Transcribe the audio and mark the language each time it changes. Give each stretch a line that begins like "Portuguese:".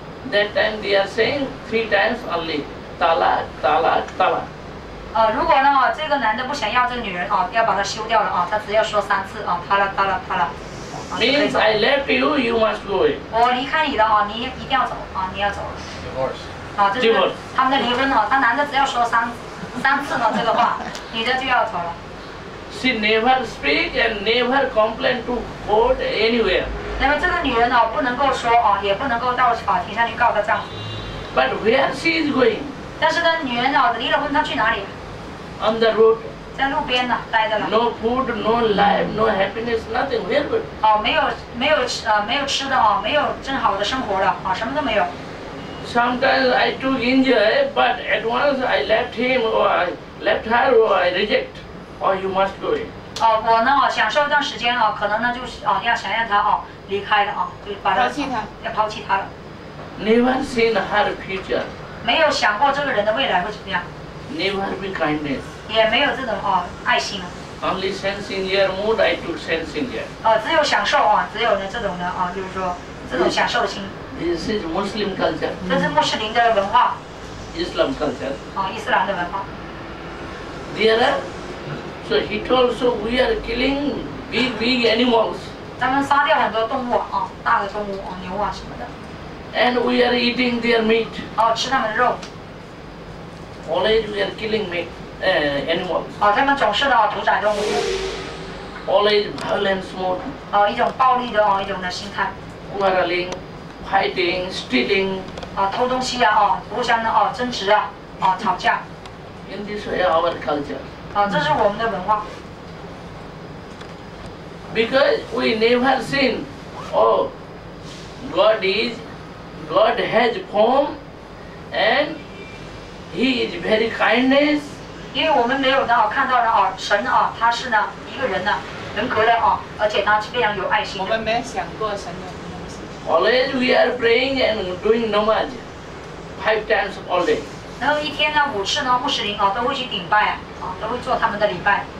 English: That time they are saying three times only, talak, talak, talak.
Chinese: 如果呢，这个男的不想要这个女人要把她休掉了他只要说三次talak, talak, talak.
English: Means I left you, you must go away.
Chinese: 我离开你了你一定要走你要走了。
English: Divorce.
Chinese: 就是他们的离婚他男的只要说三次呢这个话，女的就要走了。
English: She never speak and never complain to court anywhere.
Chinese: 那么这个女人不能够说也不能够到法庭上去告她丈夫。
English: But where she is going?
Chinese: 但是呢，女人离了婚，她去哪里
English: ？On the road.
Chinese: 在路边呢，待着了。
English: No food, no life, no happiness, nothing. Where would?
Chinese: 没有吃的没有正好的生活了什么都没有。
English: Sometimes I took injury, but at once I left him or I left her or I reject. You must go in.
Chinese: 我呢享受一段时间可能呢就要想让他离开了就把他抛弃他了。
English: Never seen her future.
Chinese: 没有想过这个人的未来会怎么样。
English: Never be kindness.
Chinese: 也没有这种爱心。
English: Only sensing your mood, I took sensing your.
Chinese: 只有享受只有呢这种的就是说这种享受心。
English: This is Muslim culture.
Chinese: 这是穆斯林的文化。
English: Islam culture.
Chinese: 伊斯兰的文化。
English: There are. So he told, so we are killing big, big animals.
Chinese: 咱们杀掉很多动物大的动物牛什么的。
English: And we are eating their meat.
Chinese: 吃他们的肉。
English: Always we are killing meat, animals.
Chinese: 他们总是的屠宰动物。
English: Always violence mode.
Chinese: 一种暴力的一种的心态。
English: Quarreling, fighting, stealing.
Chinese: 偷东西互相的争执吵架。
English: In this way, our culture.
Chinese: 这是我们的文化。
English: Because we never seen, God has form, and He is very kindness.
Chinese: 因为我们没有看到神他是呢一个人呢人格的而且他是非常有爱心的。我们没想过神的东西。
English: Always we are praying and doing namaz, five times all day.
Chinese: 然后一天呢五次呢穆斯林啊都会去顶拜啊，都会做他们的礼拜。